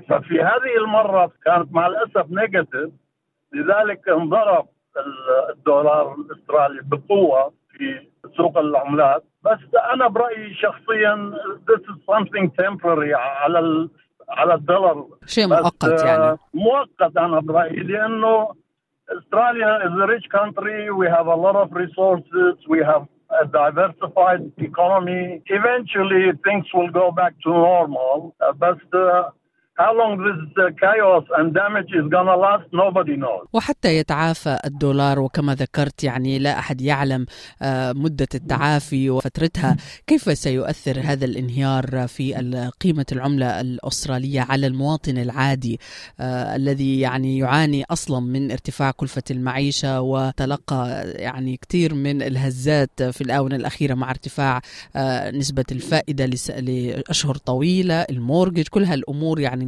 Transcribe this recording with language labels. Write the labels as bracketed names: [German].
[Arabic] ففي هذه المره كانت مع الاسف نيجاتيف، لذلك انضرب الدولار الاسترالي بقوه في سوق العملات. بس أنا برأيي شخصيا [English] this is something temporary [Arabic] على الدولار، شيء مؤقت. يعني مؤقت أنا برأيي، لأنه أستراليا [English] is a rich country, we have a lot of resources, we have a diversified economy. Eventually things will go back to normal. How long this chaos and damage is gonna last, nobody knows. [Arabic] وحتى يتعافى الدولار، وكما ذكرت يعني لا أحد يعلم مدة التعافي وفترتها، كيف سيؤثر هذا الانهيار في قيمة العملة الأسترالية على المواطن العادي الذي يعني يعاني أصلا من ارتفاع كلفة المعيشة وتلقى يعني كثير من الهزات في الآونة الأخيرة مع ارتفاع نسبة الفائدة لأشهر طويلة، المورجج، كل هالأمور يعني